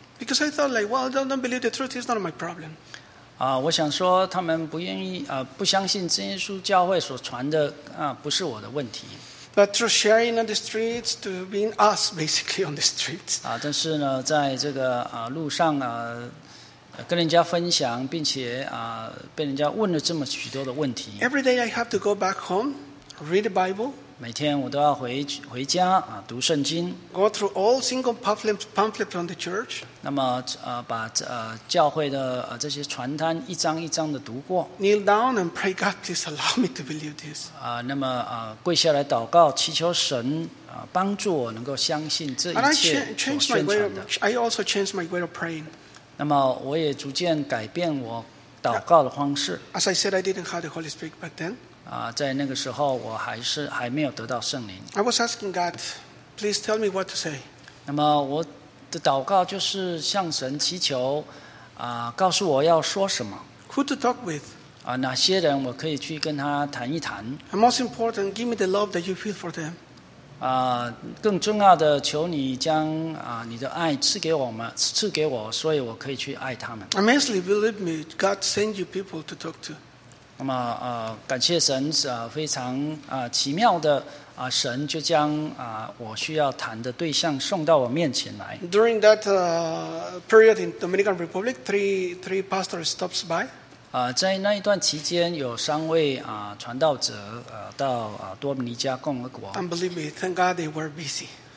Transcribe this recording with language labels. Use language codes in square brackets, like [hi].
[en] Because I thought like, well, don't believe the truth is not my problem. [zh] 我想说他们不愿意不相信真耶稣教会所传的不是我的问题。 [en] But through sharing on the streets to being us basically on the streets. [zh] 但是呢，在这个路上跟人家分享，并且被人家问了这么许多的问题。 [en] Every day I have to go back home, read the Bible. [zh] 每天我都要回家读圣经。 [en] Go through all single pamphlets from the church. [zh] 那么把教会的这些传单一张一张的读过。 [en] Kneel down and pray, God, please allow me to believe this. [zh] 那么跪下来祷告，祈求神帮助我能够相信这一切所宣传的。 [en] I also changed my way of praying. [zh] 那么我也逐渐改变我祷告的方式。 [en] As I said, I didn't have the Holy Spirit back then. [zh] 在那个时候我还没有得到圣灵。 [en] I was asking God, please tell me what to say. [zh] 那么我的祷告就是向神祈求告诉我要说什么。 [en] Who to talk with? [zh] 哪些人我可以去跟他谈一谈。 [en] And most important, give me the love that you feel for them. [zh] 更重要的求你将你的爱赐给我所以我可以去爱他们。 [en] Amazingly, believe me, God sent you people to talk to. [zh] 那么感谢神非常奇妙的神就将我需要谈的对象送到我面前来。 [en] During that period in Dominican Republic, three pastors stops by. [zh] 在那一段期间，有三位传道者到多米尼加共和国。 [en] And believe me, thank God they were busy.